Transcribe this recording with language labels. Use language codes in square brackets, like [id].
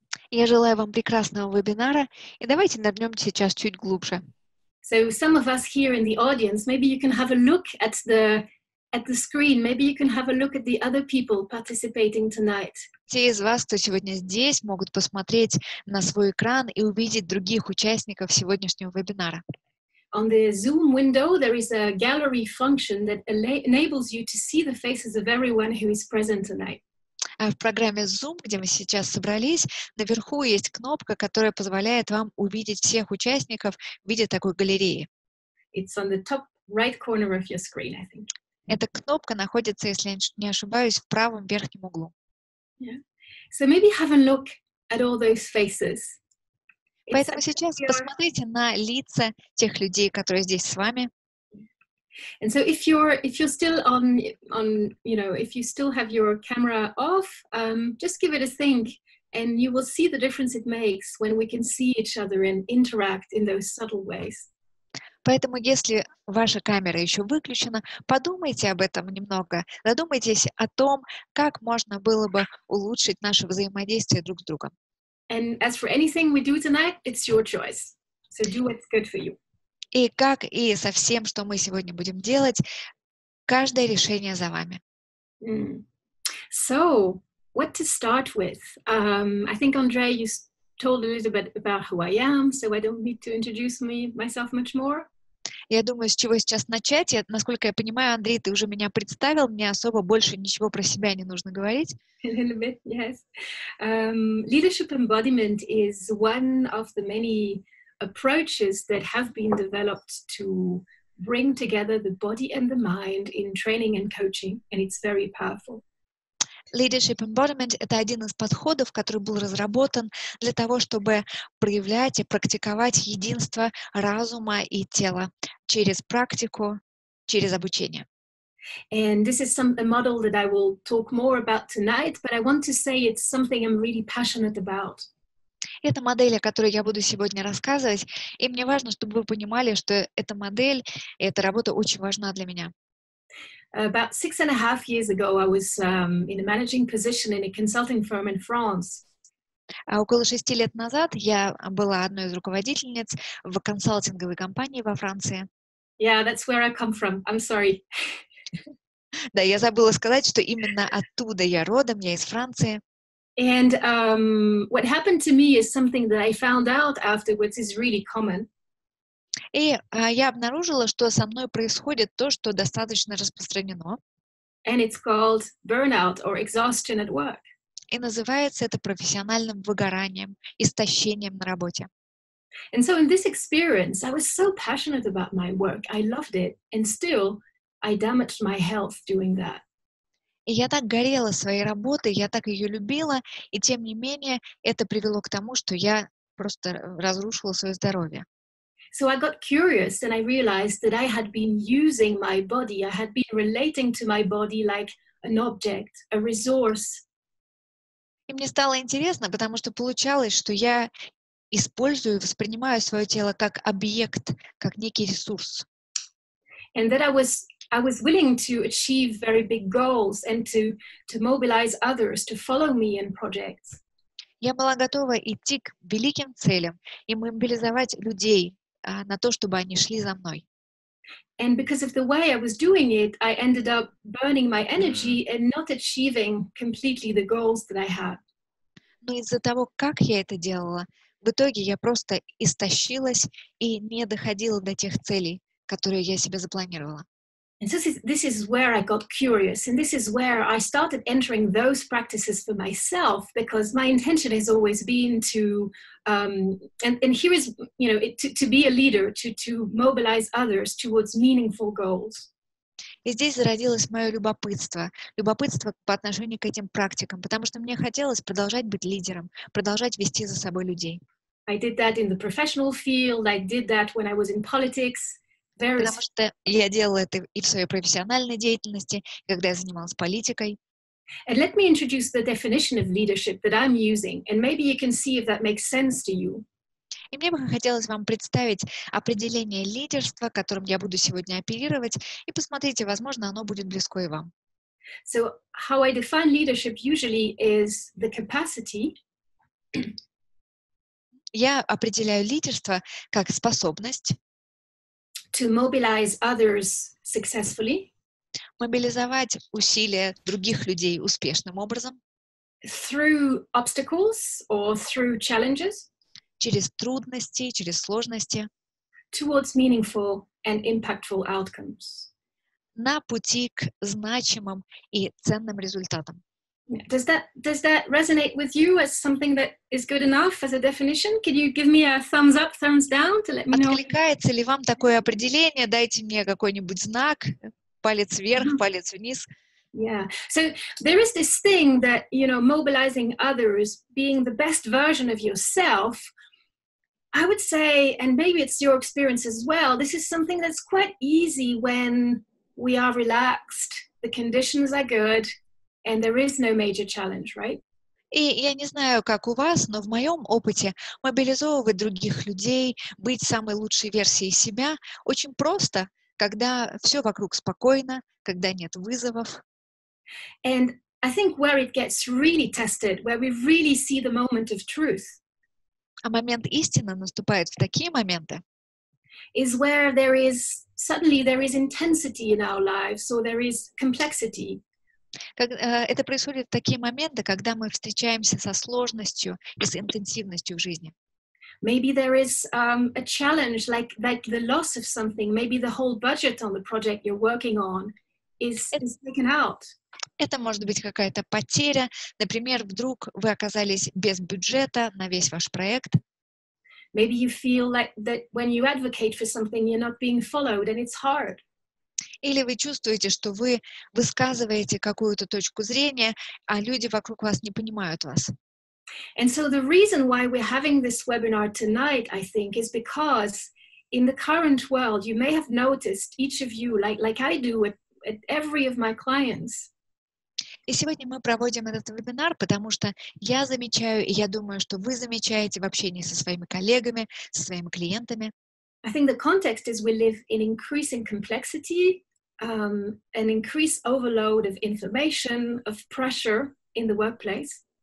[ru] Я желаю вам прекрасного вебинара, и давайте нырнем сейчас чуть глубже. [en] So some of us here in the audience, maybe you can have a look at the screen. Maybe you can have a look at the other people participating tonight. [ru] Те из вас, кто сегодня здесь, могут посмотреть на свой экран и увидеть других участников сегодняшнего вебинара. [en] On the Zoom window, there is a gallery function that enables you to see the faces of everyone who is present tonight. [ru] В программе Zoom, где мы сейчас собрались, наверху есть кнопка, которая позволяет вам увидеть всех участников в виде такой галереи. [en] It's on the top right corner of your screen, I think. [ru] Эта кнопка находится, если не ошибаюсь, в правом верхнем углу. [en] Yeah. So maybe have a look at all those faces. [ru] Поэтому сейчас посмотрите на лица тех людей, которые здесь с вами. [en] And so if you're still on you know, if you still have your camera off, just give it a think and you will see the difference it makes when we can see each other and interact in those subtle ways. [ru] Поэтому если ваша камера еще выключена, подумайте об этом немного. Задумайтесь о том, как можно было бы улучшить наше взаимодействие друг с другом. [en] And as for anything we do tonight, it's your choice. So do what's good for you. [ru] И как и со всем, что мы сегодня будем делать, каждое решение за вами. [en] Mm. So, what to start with? I think, Andre, you told a little bit about who I am, so I don't need to introduce myself much more. [ru] Я думаю, с чего сейчас начать. Насколько я понимаю, Андрей, ты уже меня представил, мне особо больше ничего про себя не нужно говорить. [en] A little bit, yes. Leadership embodiment is one of the many approaches that have been developed to bring together the body and the mind in training and coaching, and it's very powerful. [ru] Leadership embodiment — это один из подходов, который был разработан для того, чтобы проявлять и практиковать единство разума и тела через практику, через обучение. [en] And this is a model that I will talk more about tonight, but I want to say it's something I'm really passionate about. [ru] Это модель, о которой я буду сегодня рассказывать, и мне важно, чтобы вы понимали, что эта модель и эта работа очень важна для меня. [en] About 6.5 years ago, I was in a managing position in a consulting firm in France. [ru] А около 6 лет назад я была одной из руководительниц в консалтинговой компании во Франции. [en] Yeah, that's where I come from. I'm sorry. [ru] Да, я забыла сказать, что именно оттуда я родом, я из Франции. [en] And what happened to me is something that I found out afterwards is really common. [ru] И я обнаружила, что со мной происходит то, что достаточно распространено. [en] And it's called burnout or exhaustion at work. [ru] И называется это профессиональным выгоранием, истощением на работе. [en] And so in this experience, I was so passionate about my work. I loved it. And still, I damaged my health doing that. [ru] И я так горела своей работой, я так ее любила, и тем не менее это привело к тому, что я просто разрушила свое здоровье. [en] So I got curious and I realized that I had been using my body, I had been relating to my body like an object, a resource. [ru] И мне стало интересно, потому что получалось, что я использую, воспринимаю свое тело как объект, как некий ресурс. [en] And that I was willing to achieve very big goals and to mobilize others to follow me in projects. [ru] Я была готова идти к великим целям и мобилизовать людей на то, чтобы они шли за мной. [en] And because of the way I was doing it, I ended up burning my energy and not achieving completely the goals that I had. [ru] Но из-за того, как я это делала, в итоге я просто истощилась и не доходила до тех целей, которые я себе запланировала. [en] And so this is where I got curious, and this is where I started entering those practices for myself, because my intention has always been to, and here is, you know, to be a leader, to mobilize others towards meaningful goals. [ru] И здесь зародилось мое любопытство по отношению к этим практикам, потому что мне хотелось продолжать быть лидером, продолжать вести за собой людей. [en] I did that in the professional field, I did that when I was in politics. [ru] Потому что я делала это и в своей профессиональной деятельности, когда я занималась политикой. [en] And let me introduce the definition of leadership that I'm using, and maybe you can see if that makes sense to you. [ru] И мне бы хотелось вам представить определение лидерства, которым я буду сегодня оперировать, и посмотрите, возможно, оно будет близко и вам. [en] So how I define leadership usually is the capacity. [ru] Я определяю лидерство как способность [en] to mobilize others successfully, [ru] мобилизовать усилия других людей успешным образом, [en] through obstacles or through challenges, [ru] через трудности, через сложности, [en] towards meaningful and impactful outcomes, [ru] на пути к значимым и ценным результатам. [en] Does that resonate with you as something that is good enough as a definition? Can you give me a thumbs up, thumbs down to let me know? [ru] Откликается ли вам такое определение? Дайте мне какой-нибудь знак, палец вверх, палец вниз. [en] Yeah. So there is this thing that, you know, mobilizing others, being the best version of yourself, I would say, and maybe it's your experience as well, this is something that's quite easy when we are relaxed, the conditions are good. And there is no major challenge, right? [ru] И я не знаю, как у вас, но в моем опыте мобилизовывать других людей, быть самой лучшей версией себя очень просто, когда все вокруг спокойно, когда нет вызовов. [en] And I think where it gets really tested, where we really see the moment of truth. [ru] А момент истины наступает в такие моменты. [en] Is where there is suddenly there is intensity in our lives, or there is complexity. [ru] Это происходит в такие моменты, когда мы встречаемся со сложностью и с интенсивностью в жизни. [en] Maybe there is a challenge like the loss of something. Maybe the whole budget on the project you're working on is taken out. [ru] Это может быть какая-то потеря. Например, вдруг вы оказались без бюджета на весь ваш проект. [en] Maybe you feel like that when you advocate for something, you're not being followed, and it's hard. [ru] Или вы чувствуете, что вы высказываете какую-то точку зрения, а люди вокруг вас не понимают вас. [en] And so the reason why we're having this webinar tonight, I think, is because in the current world, you may have noticed, each of you, like I do at every of my clients. [ru] И сегодня мы проводим этот вебинар, потому что я замечаю, и я думаю, что вы замечаете в общении со своими коллегами, со своими клиентами. [en] I think the context is we live in increasing complexity, an increased overload of information, of pressure in the workplace.